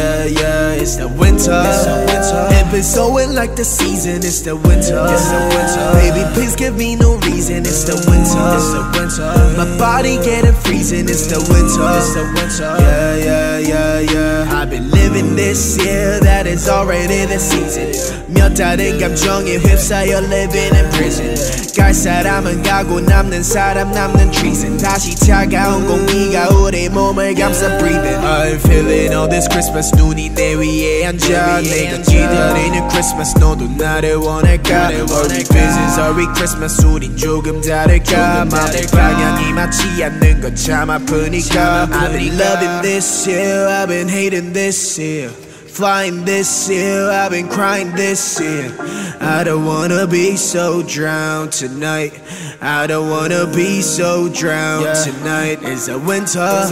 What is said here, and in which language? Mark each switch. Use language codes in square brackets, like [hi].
[en] Yeah, it's the winter. Episode like the season, it's the winter. Baby, please give me no reason, it's the winter. My body getting freezing, it's the winter. Yeah. I've been living this year, that is already the season. [ko] 몇 달은 감정에 휩싸여 [en] living in prison. [ko] 갈 사람은 가고 남는 사람 남는 treason. 다시 차가운 공기가 우리 몸을 감싸 breathing. [en] I'm feeling all this Christmas, [ko] 눈이 내 위에 앉아. 내가 기다리는 Christmas, 너도 나를 원할까? [en] Are we business, are we Christmas, [ko] 우린 조금 다를까? 맘의 방향이 맞지 않는 것 참 아프니까. [en] I've been loving this year, I've been hating this year. Flying this year, I've been crying this year. I don't wanna be so drowned tonight. I don't wanna be so drowned tonight. It's a winter.